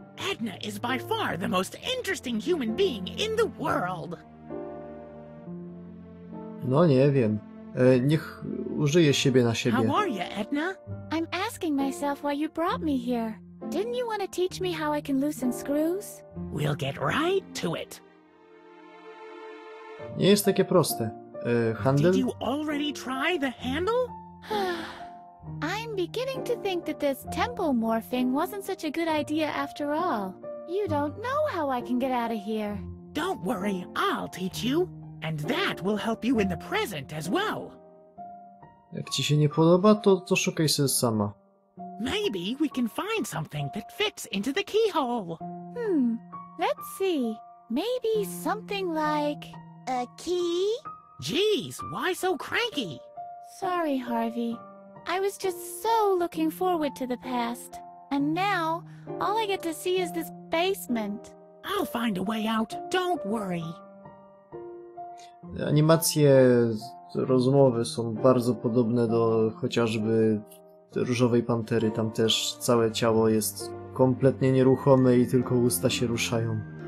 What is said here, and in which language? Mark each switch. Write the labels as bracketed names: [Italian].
[English] Edna is by far the most interesting human being in the world. [Polish] No nie wiem. Niech użyje siebie na siebie. [English] How are you, Edna? I'm asking myself why you brought me here. Didn't you want to teach me how I can loosen screws? We'll get right to it. [Polish] Nie jest takie proste. Handle? [English] Did you already try the handle? I'm beginning to think that this temple morphing wasn't such a good idea after all. You don't know how I can get out of here. Don't worry, I'll teach you. And that will help you in the present as well. [Polish] Jak ci się nie podoba, to szukaj sobie sama. [English] Maybe we can find something that fits into the keyhole. Let's see. Maybe something like... a key? Jeez, why so cranky? Sorry, Harvey. I was just so looking forward to the past. And now, all I get to see is this basement. I'll find a way out, don't worry. [Polish] Animacje rozmowy są bardzo podobne do chociażby Różowej Pantery. Tam też całe ciało jest kompletnie nieruchome i tylko usta się ruszają.